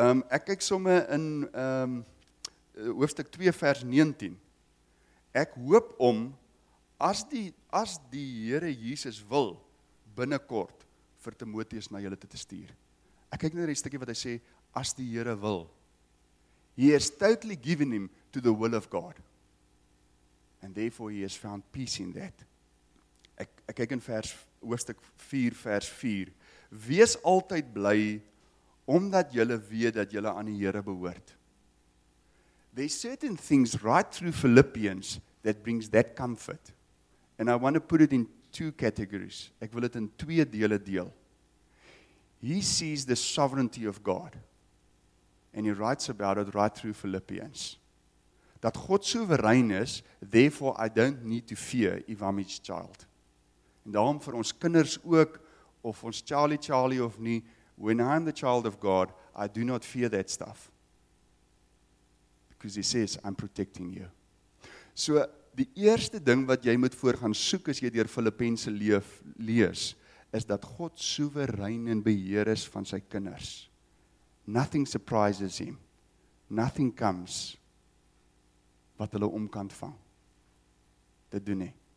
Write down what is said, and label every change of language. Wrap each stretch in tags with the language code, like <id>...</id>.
<af>Ek kyk sommer in hoofstuk 2 vers 19. Ek hoop om as die Here Jesus wil binnekort vir Timoteus na julle te stuur. Ek kyk net na die stukkie wat hy sê, as die Here wil.</af> <en>He has totally given him to the will of God. And therefore he has found peace in that.</en> <af>Ek kyk in vers, hoofstuk 4 vers 4. Wees altyd bly, omdat julle weet dat julle aan die Here behoort.</af> <en>There's certain things right through Philippians that brings that comfort. And I want to put it in two categories.</en> <af>Ek wil dit in twee dele deel.</af> <en>He sees the sovereignty of God. And he writes about it right through Philippians.</en> <af>Dat God soewerein is,</af> <en>therefore I don't need to fear if I'm his child.</en> <af>En daarom vir ons kinders ook, of ons Charlie of nie,</af> <en>when I'm the child of God, I do not fear that stuff. Because he says, I'm protecting you.</en> <af>So, die eerste ding wat jy moet voor gaan soek, as jy deur Filippense lees, is dat God soewerein en beheer is van sy kinders.</af> <en>Nothing surprises him. Nothing comes</en> <af>wat hulle om kan vang. Dit doen nie.</af>